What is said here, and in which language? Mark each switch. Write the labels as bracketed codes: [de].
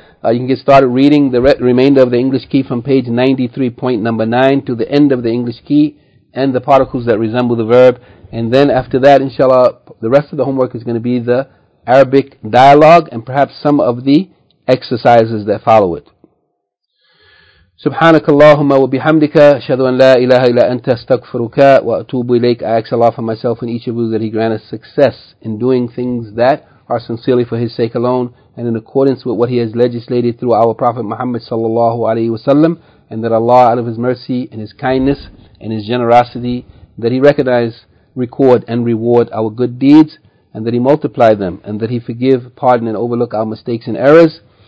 [en] You can get started reading the remainder of the English key from page 93, point number 9, to the end of the English key and the particles that resemble the verb. And then after that, inshallah, the rest of the homework is going to be the Arabic dialogue and perhaps some of the exercises that follow it. [ar] سبحانك اللهم وبحمدك أشهد أن لا إله إلا أنت أستغفرك وأتوب إليك. [en] I ask Allah for myself and each of you that He grant us success in doing things that are sincerely for His sake alone and in accordance with what He has legislated through our Prophet Muhammad sallallahu alaihi wasallam, and that Allah, out of His mercy and His kindness and His generosity, that He recognize, record and reward our good deeds, and that He multiply them, and that He forgive, pardon and overlook our mistakes and errors,